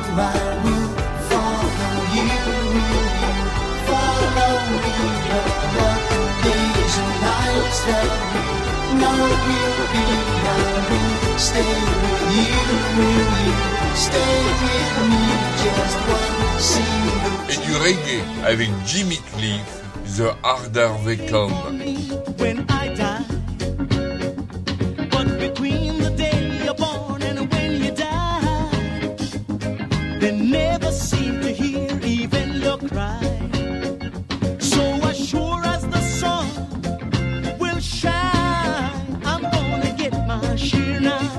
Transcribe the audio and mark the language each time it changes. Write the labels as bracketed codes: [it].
[en] I will follow you, will you follow me? The days and nights that we know will be. Stay with you, will you stay with me? Just one single. [fr] Et du reggae avec Jimmy Cliff, The Harder They Come. [en] When I die, but between the day you're born and when you die, they never seem to hear even the cry. So as sure as the sun will shine, I'm gonna get my share now.